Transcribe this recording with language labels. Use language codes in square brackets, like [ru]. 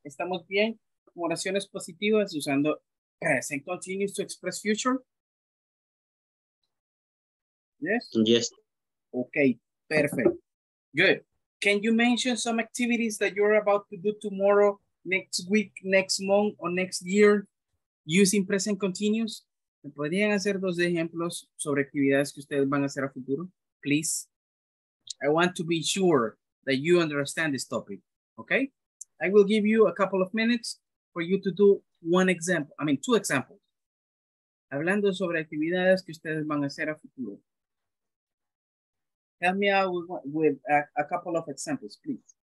[es] ¿Estamos bien? Oraciones positivas usando present continuous [en] to express future. Yes? Yes. Okay, perfect. Good. Can you mention some activities that you're about to do tomorrow, next week, next month, or next year using present continuous? [es] ¿Me podrían hacer dos ejemplos sobre actividades que ustedes van a hacer a futuro? [en] Please. I want to be sure that you understand this topic. Okay? I will give you a couple of minutes for you to do one example, I mean, two examples. [es] Hablando sobre actividades que ustedes van a hacer a futuro. [en] Help me out with a couple of examples, please.